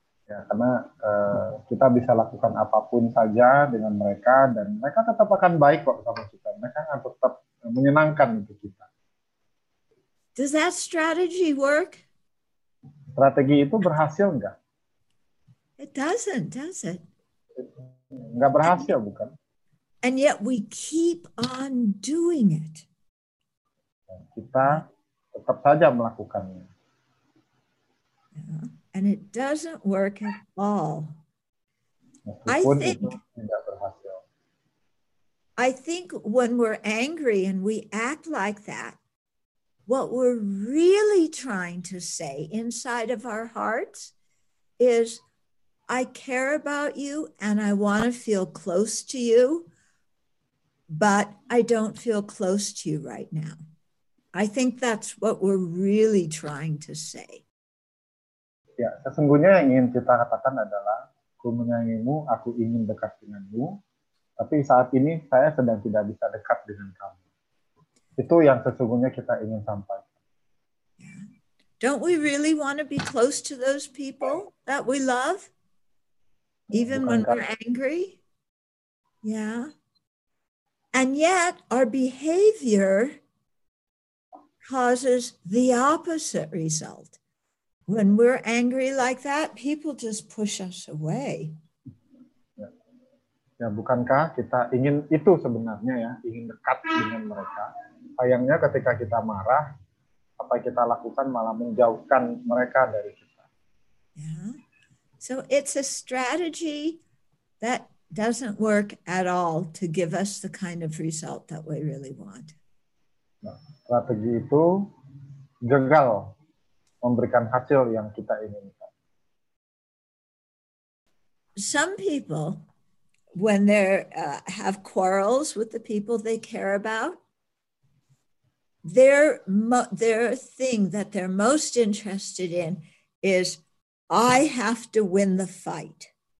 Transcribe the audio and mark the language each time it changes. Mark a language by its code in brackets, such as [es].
[id] Ya, karena kita bisa lakukan apapun saja dengan mereka dan mereka tetap akan baik kok sama kita. Mereka akan tetap menyenangkan untuk kita. [en] Does that strategy work? [id] Strategi itu berhasil enggak? [en] It doesn't, does it? [id] Enggak berhasil, and, bukan? [en] And yet we keep on doing it. [id] Kita tetap saja melakukannya. [en] And it doesn't work at all. [id] Meskipun [en] I think [id] itu tidak berhasil. [en] I think when we're angry and we act like that, what we're really trying to say inside of our hearts is, I care about you and I want to feel close to you, but I don't feel close to you right now. I think that's what we're really trying to say. [id] Ya, sesungguhnya yang ingin kita katakan adalah, ku menyayangimu, aku ingin dekat denganmu, tapi saat ini saya sedang tidak bisa dekat dengan kamu. Itu yang sesungguhnya kita ingin sampaikan. [en] Yeah. Don't we really want to be close to those people that we love? Even when we're angry? Yeah. And yet our behavior causes the opposite result. When we're angry like that, people just push us away. [id] Ya, bukankah kita ingin itu sebenarnya ya, ingin dekat dengan mereka. Sayangnya ketika kita marah, apa yang kita lakukan malah menjauhkan mereka dari kita. [en] Yeah. So it's a strategy that doesn't work at all to give us the kind of result that we really want. [id] Nah, strategi itu gagal memberikan hasil yang kita inginkan. [en] Some people, when they have quarrels with the people they care about, their thing that they're most interested in is, I have to win the fight.